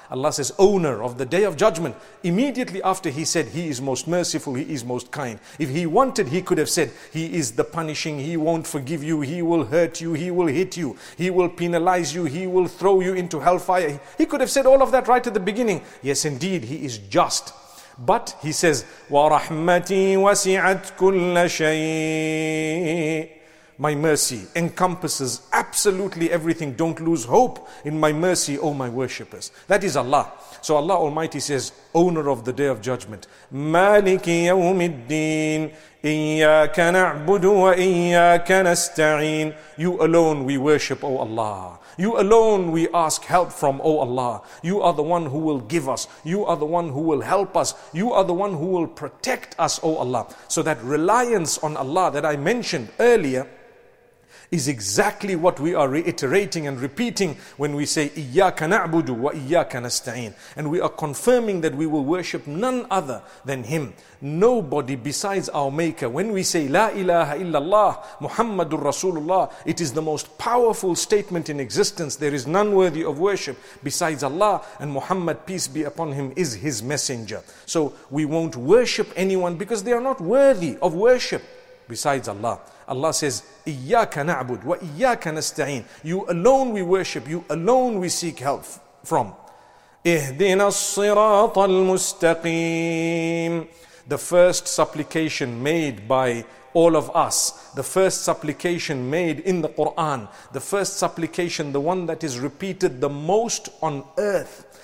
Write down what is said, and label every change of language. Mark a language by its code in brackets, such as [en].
[en] Allah says, owner of the Day of Judgment. Immediately after He said, He is most merciful, He is most kind. If He wanted, He could have said, He is the punishing, He won't forgive you, He will hurt you, He will hit you, He will penalize you, He will throw you into hellfire. He could have said all of that right at the beginning. Yes, indeed, He is just. But He says, [ar] وَرَحْمَتِي وَسِعَتْ كُلَّ شَيْءٍ. [en] My mercy encompasses absolutely everything. Don't lose hope in my mercy, O my worshippers. That is Allah. So Allah Almighty says, owner of the Day of Judgment, [ar] Maliki Yawm al-Din, Iyyaka na'budu wa Iyyaka nasta'in. [en] You alone we worship, O Allah. You alone we ask help from, O Allah. You are the one who will give us. You are the one who will help us. You are the one who will protect us, O Allah. So that reliance on Allah that I mentioned earlier is exactly what we are reiterating and repeating when we say [ar] إِيَّاكَ نَعْبُدُ وَإِيَّاكَ نَسْتَعِينَ. [en] And we are confirming that we will worship none other than Him. Nobody besides our Maker. When we say [ar] La ilaha illallah Muhammadur Rasulullah, [en] it is the most powerful statement in existence. There is none worthy of worship besides Allah, and Muhammad, peace be upon him, is his messenger. So we won't worship anyone because they are not worthy of worship besides Allah. Allah says, [ar] إِيَّاكَ نَعْبُدْ وَإِيَّاكَ نَسْتَعِينَ. [en] You alone we worship, you alone we seek help from. [ar] اِهْدِنَا الصِّرَاطَ الْمُسْتَقِيمِ. [en] The first supplication made by all of us, the first supplication made in the Quran, the first supplication, the one that is repeated the most on earth.